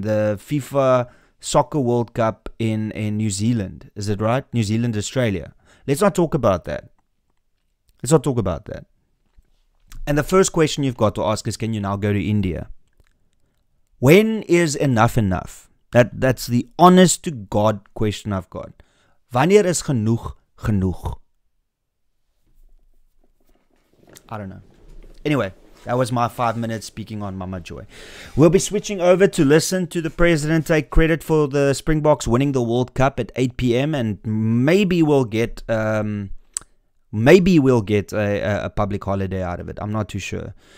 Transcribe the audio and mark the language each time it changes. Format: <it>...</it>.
<en>The FIFA Soccer World Cup in New Zealand. Is it right? New Zealand, Australia. Let's not talk about that. Let's not talk about that. And the first question you've got to ask is, can you now go to India? When is enough enough? That's the honest to God question I've got.</en> <af>Wanneer is genoeg genoeg?</af> <en>I don't know. Anyway, that was my 5 minutes speaking on Mama Joy. We'll be switching over to listen to the president take credit for the Springboks winning the World Cup at 8 p.m. And maybe we'll get a public holiday out of it. I'm not too sure.</en>